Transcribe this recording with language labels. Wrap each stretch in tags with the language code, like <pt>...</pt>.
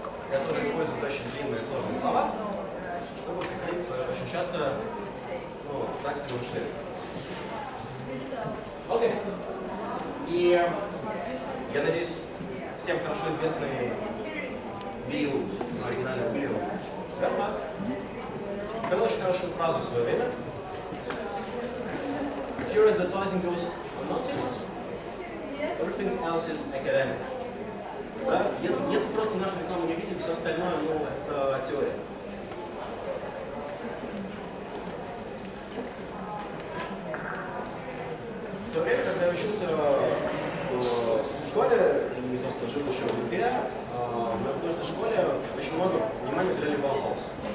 <ru>которые используют очень длинные и сложные слова, чтобы прикрыть свое очень часто, ну, так себе ушли. Окей. И я надеюсь, всем хорошо известный Билл, оригинальный Билл Бернбах, сказал очень хорошую фразу в свое время.</ru> <en>If your advertising goes unnoticed, everything else is academic.</en> <ru>Да? Если просто нашу рекламу не видим, все остальное, ну, это теория. В свое время, когда я учился в школе, я, собственно, жил еще в Литве, мы в художественной школе очень много внимания уделяли Баухаусу.</ru>